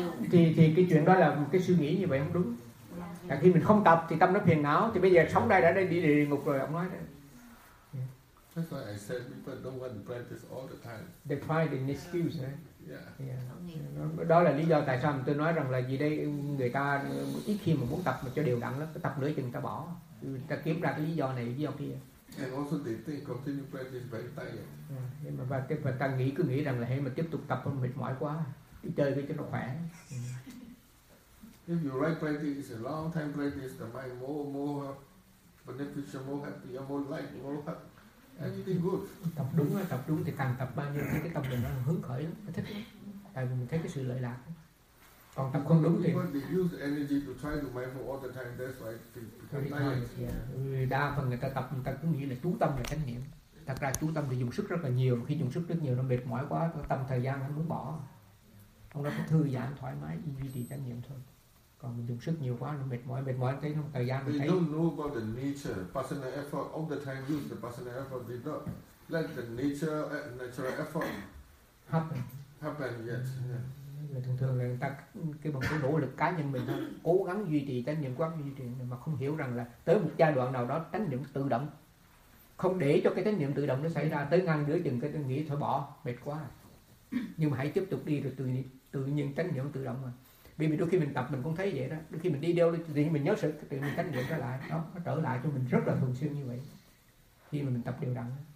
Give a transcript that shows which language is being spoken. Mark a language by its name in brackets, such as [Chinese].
[Vietnamese] Thì cái chuyện đó là một cái suy nghĩ như vậy không đúng. Là khi mình không tập thì tâm nó phiền não, thì bây giờ sống đây đã đi địa ngục rồi, ông nói đấy. [English] That's why I said people don't want to practice all the time. They find an excuse, right? Yeah. Yeah. [Vietnamese] Đó là lý do tại sao tôi nói rằng là gì đây, người ta ít khi mà muốn tập mà cho đều đặn lắm, tập nửa chừng ta bỏ, người ta kiếm ra cái lý do này lý do kia. [English] And also they think continue practice very tired. [Vietnamese] Yeah, mà bà tiếp bà nghĩ cứ nghĩ rằng là hay mà tiếp tục tập không mệt mỏi quá, đi chơi cái cho nó khỏe. [English] If you right practice is a long time practice, the mind more beneficial, more happy, more light, more anything good. [Vietnamese] Tập đúng thì càng tập bao nhiêu thì cái tâm mình nó hứng khởi lắm, thích lắm. Tại vì mình thấy cái sự lợi lạc. Còn tập không đúng thì [English] use energy to try to mindful all the time, that's why [Vietnamese] thì đa phần người ta tập, người ta cứ nghĩ là chú tâm là chánh niệm. Thật ra chú tâm thì dùng sức rất là nhiều, khi dùng sức rất nhiều nó mệt mỏi quá, tâm thời gian nó muốn bỏ, ông đó cứ thư giãn thoải mái duy trì chánh niệm thôi. Còn mình dùng sức nhiều quá nó mệt mỏi thấy không, thời gian mình thấy. [English] They don't know about the nature, personal effort all the time, use the personal effort, they don't let the natural effort happen yet. [Vietnamese] Thường thường là người ta cái bằng cái nỗ lực cá nhân mình cố gắng duy trì chánh niệm, quán duy trì, mà không hiểu rằng là tới một giai đoạn nào đó chánh niệm tự động, không để cho cái chánh niệm tự động nó xảy ra, tới ngăn nửa chừng cái tôi nghĩ thôi bỏ mệt quá, nhưng mà hãy tiếp tục đi rồi tự nhiên chánh niệm tự động. Mà vì đôi khi mình tập mình cũng thấy vậy đó, đôi khi mình đi đâu thì mình nhớ sự tự mình chánh niệm trở lại đó, nó trở lại cho mình rất là thường xuyên như vậy khi mà mình tập đều đặn.